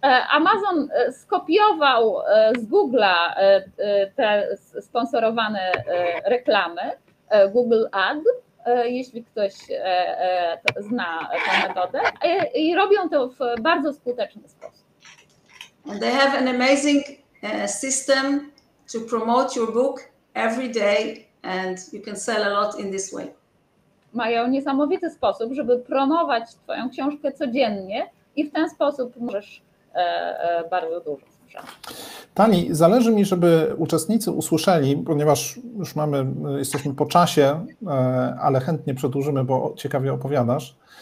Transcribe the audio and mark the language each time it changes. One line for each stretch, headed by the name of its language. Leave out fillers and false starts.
Polish: Amazon skopiował z Google'a te sponsorowane reklamy, Google Ad, jeśli ktoś zna tę metodę, i robią to w bardzo skuteczny sposób.
English: And they have an amazing system to promote your book every day, and you can sell a lot in this way.
Polish: Mają niesamowity sposób, żeby promować twoją książkę codziennie i w ten sposób możesz bardzo dużo. Tani, zależy mi, żeby uczestnicy usłyszeli, ponieważ już jesteśmy po czasie, ale chętnie przedłużymy, bo ciekawie opowiadasz.